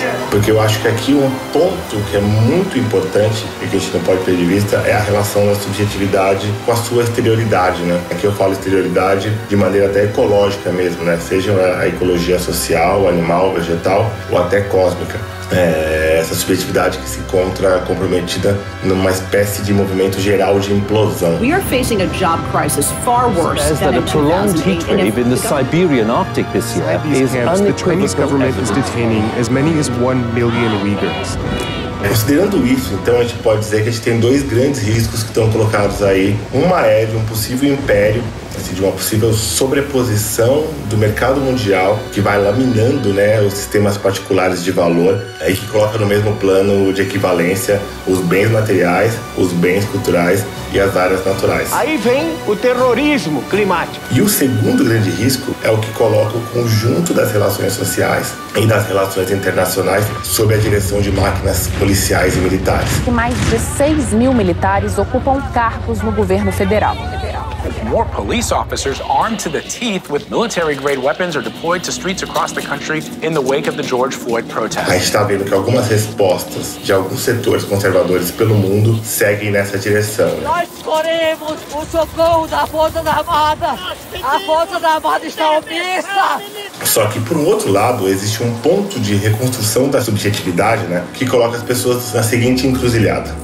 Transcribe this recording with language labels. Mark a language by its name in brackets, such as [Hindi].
[Portuguese] Porque eu acho que aqui um ponto que é muito importante e que a gente não pode perder de vista é a relação da subjetividade com a sua exterioridade, né? Aqui eu falo exterioridade de maneira até ecológica mesmo, né? Seja a ecologia social, animal, vegetal ou até cósmica. É essa subjetividade que se encontra comprometida numa espécie de movimento geral de implosão. [English] We are facing a job crisis far worse than a prolonged heat wave in the Siberian Arctic this year. The Chinese government is detaining as many as 1 million Uyghurs. [Portuguese] Considerando isso, então, a gente pode dizer que a gente tem dois grandes riscos que estão colocados aí. Uma é de um possível império, assim, de uma possível sobreposição do mercado mundial que vai laminando, né, os sistemas particulares de valor e que coloca no mesmo plano de equivalência os bens materiais, os bens culturais e as áreas naturais. Aí vem o terrorismo climático. E o segundo grande risco é o que coloca o conjunto das relações sociais e das relações internacionais sob a direção de máquinas policiais e militares. Mais de 6 mil militares ocupam cargos no governo federal. [English] More police officers armed to the teeth with military-grade weapons are deployed to streets across the country in the wake of the George Floyd protests. [Portuguese] A gente está vendo que algumas respostas de alguns setores conservadores pelo mundo seguem nessa direção. Nós queremos o socorro da Força Armada! A Força Armada está omissa! Só que, por um outro lado, existe um ponto de reconstrução da subjetividade, né, que coloca as pessoas na seguinte encruzilhada.